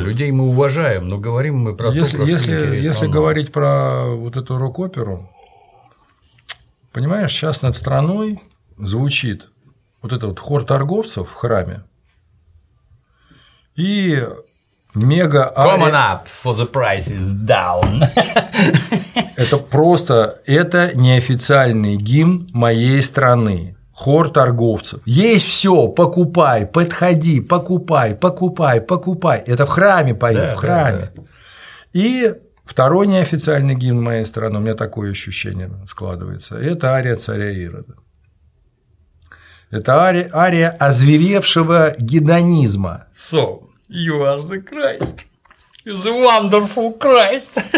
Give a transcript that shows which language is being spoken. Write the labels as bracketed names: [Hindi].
[Russian] Людей мы уважаем, но говорим мы про если говорить про вот эту рок-оперу, понимаешь, сейчас над страной звучит вот этот вот хор торговцев в храме и… Мега [English] Come on up, for the price is down. [Russian] Это просто, это неофициальный гимн моей страны. Хор торговцев. Есть все, покупай, подходи, покупай, покупай, покупай. Это в храме поют, да, в храме. Да, да. И второй неофициальный гимн моей страны, у меня такое ощущение складывается, это ария царя Ирода. Это ария озверевшего гедонизма. [English] So. You are the Christ, you the wonderful Christ.